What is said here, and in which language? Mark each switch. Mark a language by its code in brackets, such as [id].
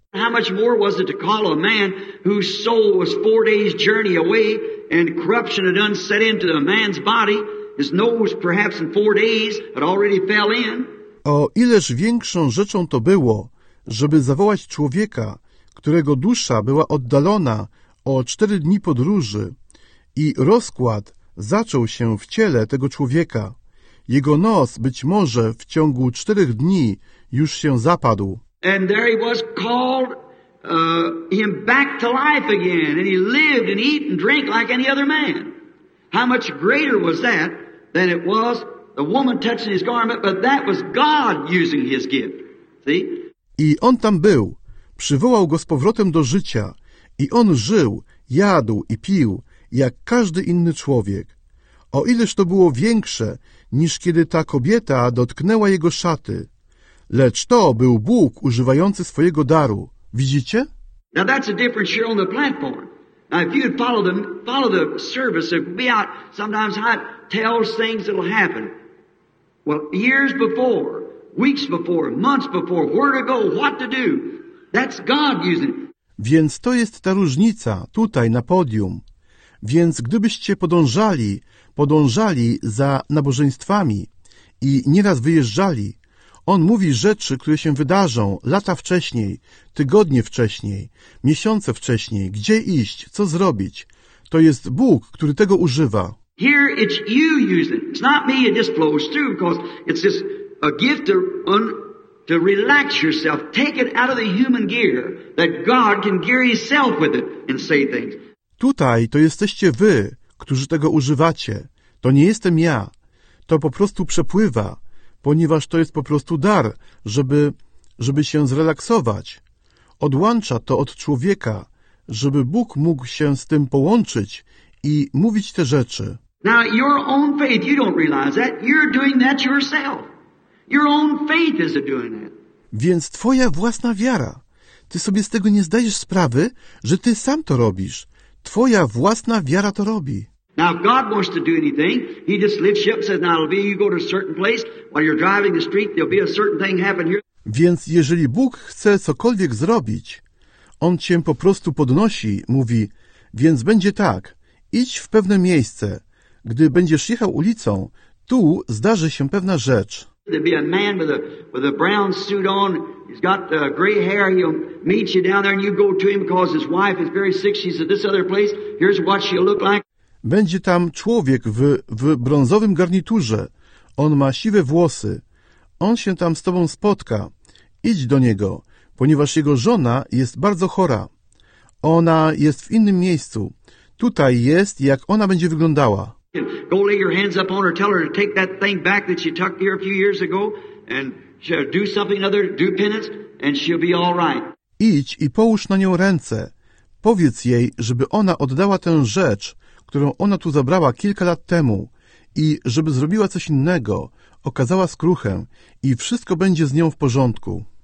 [en] How much more was it to call a man whose soul was 4 days journey away and corruption had unset into a man's body, his nose perhaps in 4 days had already fell in? [pl] O ileż większą rzeczą to było, żeby zawołać człowieka, którego dusza była oddalona o 4 dni podróży i rozkład zaczął się w ciele tego człowieka. Jego nos być może w ciągu 4 dni już się zapadł. [en] And there he was called him back to life again, and he lived and eat and drank like any other man. How much greater was that than it was the woman touching his garment, but that was God using his gift. See? [pl] I on tam był, przywołał go z powrotem do życia, i on żył, jadł i pił, jak każdy inny człowiek. O ileż to było większe, niż kiedy ta kobieta dotknęła jego szaty. Lecz to był Bóg używający swojego daru. Widzicie? [en] Now that's a difference here on the platform. Now if you'd follow the service, it would be out sometimes how it tells things that'll happen. Well, years before, weeks before, months before, where to go, what to do. That's God using it. [pl] Więc to jest ta różnica tutaj na podium. Więc gdybyście podążali za nabożeństwami i nieraz wyjeżdżali, on mówi rzeczy, które się wydarzą lata wcześniej, tygodnie wcześniej, miesiące wcześniej, gdzie iść, co zrobić. To jest Bóg, który tego używa. [en] Here it's you using it. It's not me, it just flows through, because it's just a gift to relax yourself, take it out of the human gear, that God can gear himself with it and say things. [pl] Tutaj to jesteście wy, którzy tego używacie. To nie jestem ja. To po prostu przepływa, ponieważ to jest po prostu dar, żeby się zrelaksować. Odłącza to od człowieka, żeby Bóg mógł się z tym połączyć i mówić te rzeczy. [en] Now your own faith, you don't realize that. You're doing that yourself. Your own faith is doing that. [pl] Więc twoja własna wiara. Ty sobie z tego nie zdajesz sprawy, że ty sam to robisz. Twoja własna wiara to robi. [en] Now, if God wants to do anything, he just lifts you up and says, now it'll be, you go to a certain place, while you're driving the street, there'll be a certain thing happen here. [pl] Więc jeżeli Bóg chce cokolwiek zrobić, on cię po prostu podnosi, mówi, więc będzie tak, idź w pewne miejsce. Gdy będziesz jechał ulicą, tu zdarzy się pewna rzecz. [en] There'll be a man with a brown suit on, he's got gray hair, he'll meet you down there and you go to him because his wife is very sick, she's at this other place, here's what she'll look like. [pl] Będzie tam człowiek w brązowym garniturze. On ma siwe włosy. On się tam z tobą spotka. Idź do niego, ponieważ jego żona jest bardzo chora. Ona jest w innym miejscu. Tutaj jest, jak ona będzie wyglądała. [en] Go lay your hands up on her, tell her to take that thing back that she tucked here a few years ago and she'll do something other, do penance and she'll be all right. [pl] Idź i połóż na nią ręce. Powiedz jej, żeby ona oddała tę rzecz, którą ona tu zabrała kilka lat temu i żeby zrobiła coś innego, okazała skruchę i wszystko będzie z nią w porządku.